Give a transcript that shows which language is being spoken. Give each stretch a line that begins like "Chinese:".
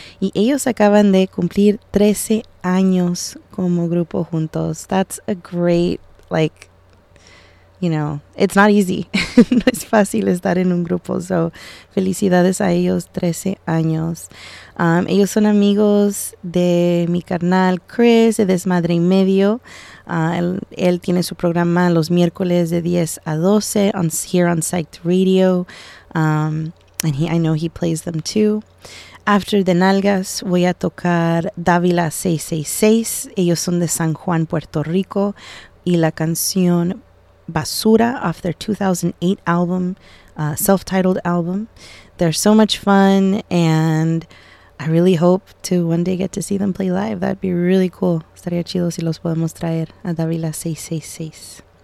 Spanish: Y ellos acaban de cumplir 13 años como grupo juntos.
English: That's a great, like, you know, it's not easy.
Spanish: No es fácil estar en un grupo. So, felicidades a ellos, 13 años. Ellos son amigos de mi carnal Chris, de Desmadre y Medio. Él tiene su programa los miércoles de 10 a 12
English: here on Psyched Radio. I know he plays them too. After the Nalgas,
Spanish: voy a tocar Dávila 666. Ellos son de San Juan, Puerto Rico. Y la canción Basura
English: off their 2008 album, self-titled album. They're so much fun, and I really hope to one day get to see them play live. That'd be really cool.
Spanish: Estaría chido si los podemos traer a Dávila 666.